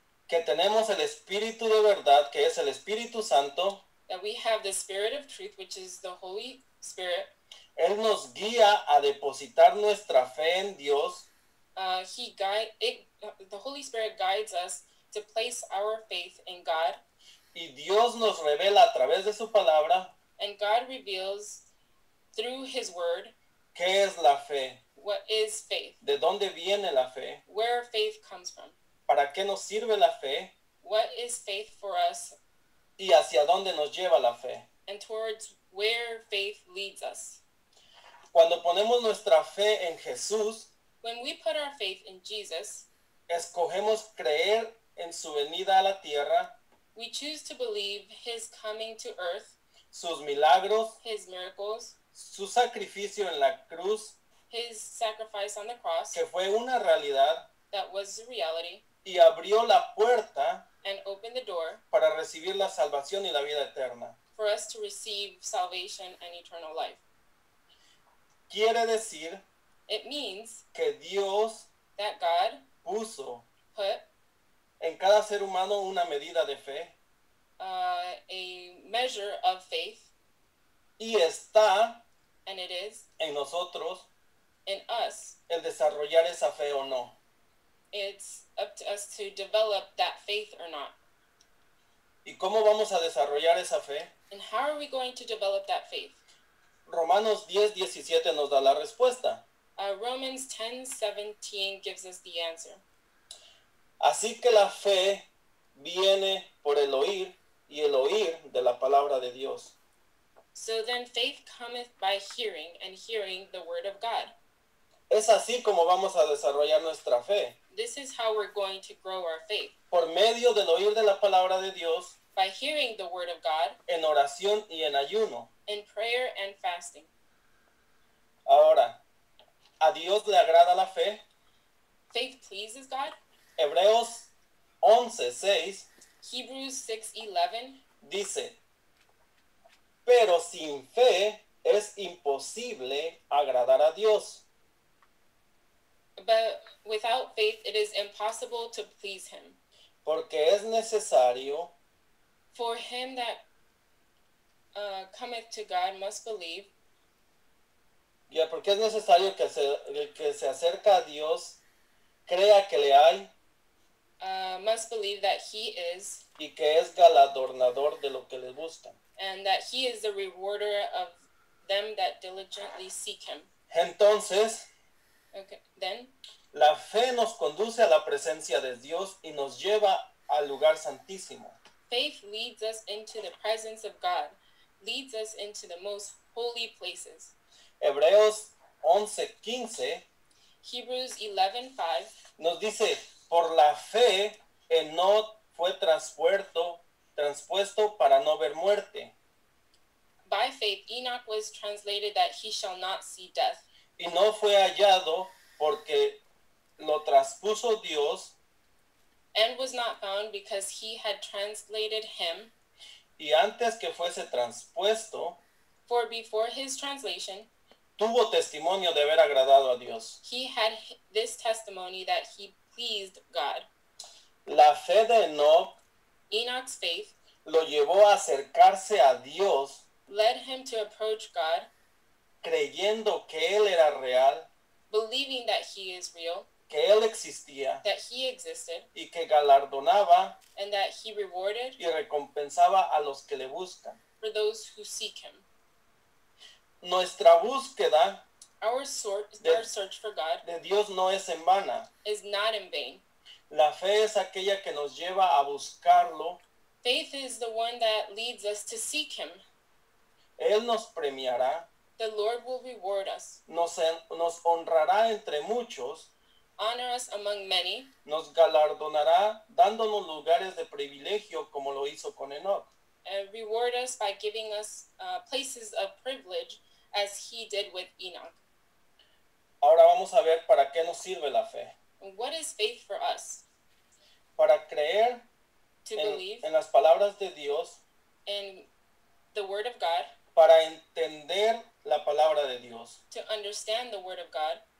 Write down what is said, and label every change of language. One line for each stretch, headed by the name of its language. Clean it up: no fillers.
Spanish: que tenemos el Espíritu de verdad, que es el Espíritu Santo,
English: that we have the Spirit of Truth, which is the Holy Spirit,
Spanish: Él nos guía a depositar nuestra fe en Dios.
English: The Holy Spirit guides us to place our faith in God.
Spanish: Y Dios nos revela a través de su palabra.
English: And God reveals through his word.
Spanish: ¿Qué es la fe?
English: What is faith?
Spanish: ¿De dónde viene la fe?
English: Where faith comes from.
Spanish: ¿Para qué nos sirve la fe?
English: What is faith for us?
Spanish: ¿Y hacia dónde nos lleva la fe?
English: And towards where faith leads us.
Spanish: Cuando ponemos nuestra fe en Jesús.
English: When we put our faith in Jesus.
Spanish: Escogemos creer en su venida a la tierra.
English: We choose to believe his coming to earth,
Spanish: sus milagros,
English: his miracles,
Spanish: su sacrificio en la cruz,
English: his sacrifice on the cross,
Spanish: que fue una realidad,
English: that was a reality,
Spanish: y abrió la puerta,
English: and opened the door,
Spanish: para recibir la salvación y la vida eterna,
English: for us to receive salvation and eternal life.
Spanish: Quiere decir,
English: it means,
Spanish: que Dios,
English: that God,
Spanish: puso,
English: put,
Spanish: en cada ser humano una medida de fe.
English: A measure of faith.
Spanish: Y está.
English: And it is.
Spanish: En nosotros.
English: In us.
Spanish: El desarrollar esa fe o no.
English: It's up to us to develop that faith or not.
Spanish: ¿Y cómo vamos a desarrollar esa fe?
English: And how are we going to develop that faith?
Spanish: Romanos 10:17 nos da la respuesta.
English: Romans 10:17 gives us the answer.
Spanish: Así que la fe viene por el oír, y el oír de la palabra de Dios.
English: So then faith cometh by hearing, and hearing the word of God.
Spanish: Es así como vamos a desarrollar nuestra fe.
English: This is how we're going to grow our faith.
Spanish: Por medio del oír de la palabra de Dios.
English: By hearing the word of God.
Spanish: En oración y en ayuno.
English: In prayer and fasting.
Spanish: Ahora, ¿a Dios le agrada la fe?
English: Faith pleases God.
Spanish: Hebreos 11:6.
English: Hebrews 6:11.
Spanish: Dice, pero sin fe es imposible agradar a Dios.
English: But without faith it is impossible to please him.
Spanish: Porque es necesario.
English: For him that cometh to God must believe.
Spanish: Ya, yeah, porque es necesario que el que se acerca a Dios crea que le hay.
English: Must believe that he is.
Spanish: Y que es galardonador de lo que le busca.
English: And that he is the rewarder of them that diligently seek him.
Spanish: Entonces.
English: Okay, then.
Spanish: La fe nos conduce a la presencia de Dios y nos lleva al lugar santísimo.
English: Faith leads us into the presence of God, leads us into the most holy places.
Spanish: Hebreos 11:15.
English: Hebrews 11:5.
Spanish: Nos dice, por la fe, Enoch fue transpuesto para no ver muerte.
English: By faith, Enoch was translated that he shall not see death.
Spanish: Y no fue hallado porque lo traspuso Dios.
English: And was not found because he had translated him.
Spanish: Y antes que fuese transpuesto.
English: For before his translation.
Spanish: Tuvo testimonio de haber agradado a Dios.
English: He had this testimony that he pleased God.
Spanish: La fe de Enoch.
English: Enoch's faith.
Spanish: Lo llevó a acercarse a Dios.
English: Led him to approach God.
Spanish: Creyendo que él era real.
English: Believing that he is real.
Spanish: Que él existía.
English: That he existed.
Spanish: Y que galardonaba.
English: And that he rewarded.
Spanish: Y recompensaba a los que le buscan.
English: For those who seek him.
Spanish: Nuestra búsqueda.
English: Our search for God.
Spanish: De Dios no es en vana.
English: Is not in vain.
Spanish: La fe es aquella que nos lleva a buscarlo.
English: Faith is the one that leads us to seek him.
Spanish: Él nos premiará.
English: The Lord will reward us.
Spanish: Nos honrará entre muchos.
English: Honor us among many.
Spanish: Nos galardonará dándonos lugares de privilegio como lo hizo con Enoch.
English: And reward us by giving us places of privilege as he did with Enoch.
Spanish: Ahora vamos a ver para qué nos sirve la fe.
English: What is faith for us?
Spanish: Para creer.
English: To believe.
Spanish: En las palabras de Dios.
English: In the word of God.
Spanish: Para entender la palabra de Dios.
English: To understand the word of God.